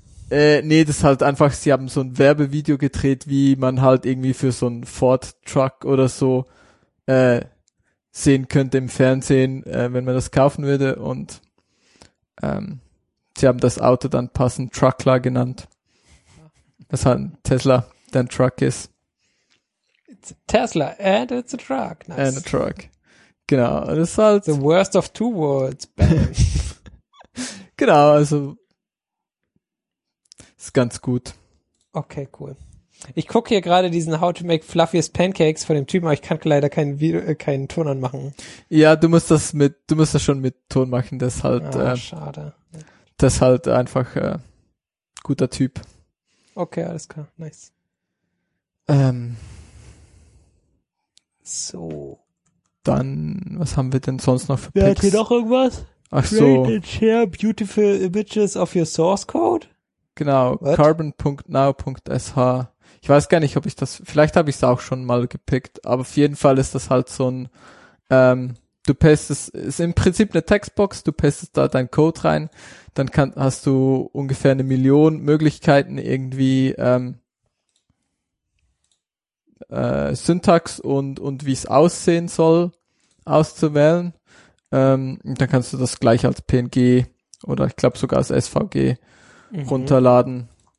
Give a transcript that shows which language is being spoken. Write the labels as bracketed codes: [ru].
[de] Nee, das ist halt einfach, sie haben so ein Werbevideo gedreht, wie man halt irgendwie für so einen Ford-Truck oder so sehen könnte im Fernsehen, wenn man das kaufen würde. Und sie haben das Auto dann passend Truckler genannt. Das halt ein Tesla, der ein Truck ist. [en] It's a Tesla and it's a truck. [de] Nice. [en] And a truck. [de] Genau, das ist halt... [en] The worst of two worlds, [de] Ben. Genau, also... Ist ganz gut. Okay, cool. Ich gucke hier gerade diesen [en] How to make fluffiest pancakes [de] von dem Typen, aber ich kann leider keinen Video, keinen Ton anmachen. Ja, du musst das schon mit Ton machen, das ist halt, schade. Das ist halt einfach, guter Typ. Okay, alles klar, nice. So. Dann, was haben wir denn sonst noch für Picks? Hat hier noch irgendwas? Ach so. [en] Create and share beautiful images of your source code? [de] Genau, [en] what? [de] carbon.now.sh. Ich weiß gar nicht, ob ich das, vielleicht habe ich es auch schon mal gepickt, aber auf jeden Fall ist das halt so ein, du pastest, ist im Prinzip eine Textbox, du pastest da deinen Code rein, dann hast du ungefähr 1 Million Möglichkeiten irgendwie, Syntax und wie es aussehen soll, auszuwählen, und dann kannst du das gleich als PNG oder ich glaube sogar als SVG runterladen.